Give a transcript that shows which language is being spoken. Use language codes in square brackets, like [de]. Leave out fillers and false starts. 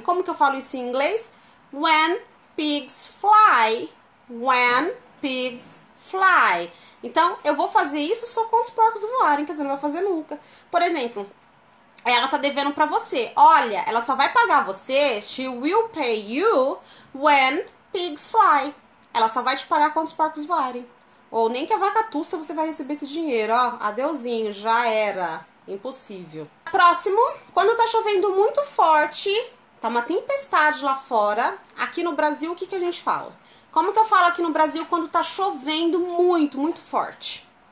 [pt] Como que eu falo isso em inglês? [en] When pigs fly. When pigs fly. [pt] Então, eu vou fazer isso só quando os porcos voarem. Quer dizer, não vai fazer nunca. Por exemplo, ela tá devendo pra você. Olha, ela só vai pagar você. [en] She will pay you when pigs fly. [pt] Ela só vai te pagar quando os porcos voarem. Ou nem que a vaca tussa você vai receber esse dinheiro, ó. Adeusinho, já era. Impossível. Próximo, quando tá chovendo muito forte, tá uma tempestade lá fora, aqui no Brasil, o que que a gente fala? Como que eu falo aqui no Brasil quando tá chovendo muito, muito forte?